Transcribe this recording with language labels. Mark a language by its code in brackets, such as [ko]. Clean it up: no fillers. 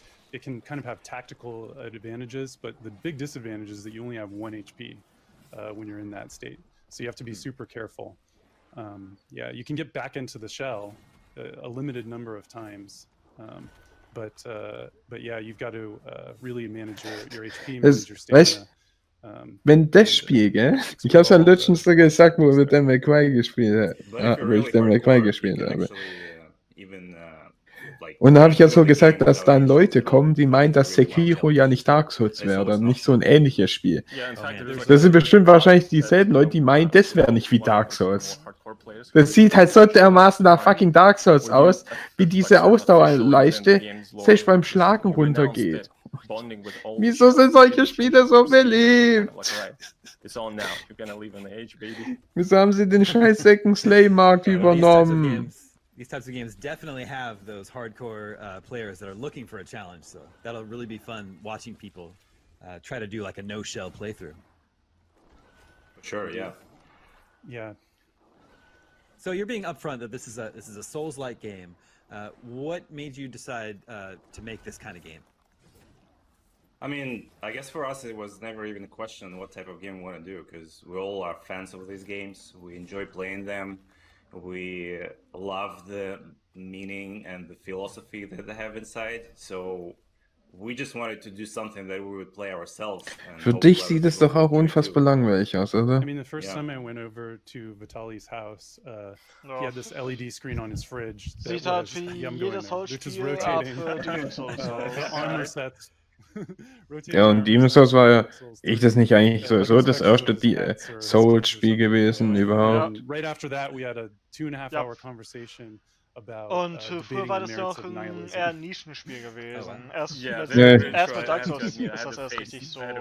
[en] It can kind of have tactical advantages, but the big disadvantage is that you only have one HP when you're in that state. So you have to be super careful. You can get back into the shell a limited number of times. You've got to really manage your HP, manage your stamina. [de] Wenn das Spiel, gell? Ich hab's ja letztens so gesagt, wo wir den McQuay gespielt haben. Und da habe ich ja so gesagt, dass dann Leute kommen, die meinen, dass Sekiro ja nicht Dark Souls wäre oder nicht so ein ähnliches Spiel. Das sind bestimmt wahrscheinlich dieselben Leute, die meinen, das wäre nicht wie Dark Souls. Das sieht halt so dermaßen nach fucking Dark Souls aus, wie diese Ausdauerleiste selbst beim Schlagen runtergeht. Wieso sind solche Spiele so beliebt? Wieso haben sie den scheiß Second Slay-Markt übernommen? [en] These types of games definitely have those hardcore players that are looking for a challenge, so that'll really be fun watching people try to do like a no-shell playthrough. Sure, yeah. Yeah. So you're being upfront that this is a Souls-like game. What made you decide to make this kind of game? I mean, I guess for us it was never even a question what type of game we want to do, because we all are fans of these games. We enjoy playing them. We love the meaning and the philosophy that they have inside. So we just wanted to do something that we would play ourselves. [de] Für dich sieht es doch auch unfassbar langweilig aus, oder? [en] I mean, the first time I went over to Vitali's house, he had this LED screen on his fridge that was rotating. Armor sets. [de] Ja, und Demon's Souls war ja, ich das nicht eigentlich so das erste Souls-Spiel gewesen überhaupt. [en] Right after that we had a 2.5 hour conversation. [de] Und früher war das noch ein eher Nischenspiel gewesen. Erst mit Dark Souls ist das erst richtig so